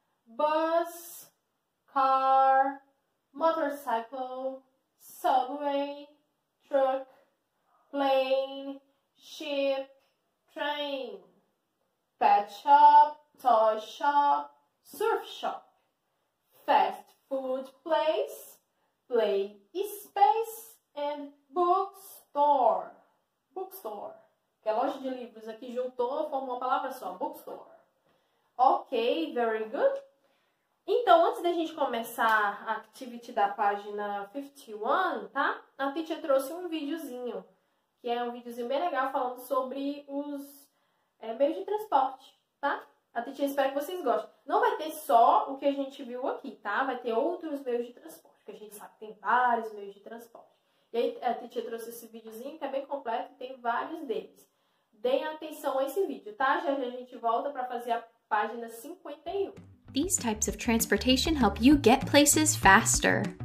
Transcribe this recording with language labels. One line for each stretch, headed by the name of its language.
English: Bus, car, motorcycle, subway, truck, plane, ship, train, pet shop, toy shop, surf shop, fast food place, play space, and bookstore. Bookstore.
Portuguese: Que é loja de livros aqui juntou, formou uma palavra só, bookstore.
English: Ok, very good.
Portuguese: Então, antes da gente começar a activity da página 51, tá? A teacher trouxe um videozinho, que é um videozinho bem legal falando sobre os meios de transporte, tá? A teacher espera que vocês gostem. Não vai ter só o que a gente viu aqui, tá? Vai ter outros meios de transporte, que a gente sabe que tem vários meios de transporte. E aí, a teacher trouxe esse videozinho, que é bem completo, tem vários deles. Deem atenção a esse vídeo, tá? Já a gente volta para fazer a página 51.
English: These types of transportation help you get places faster.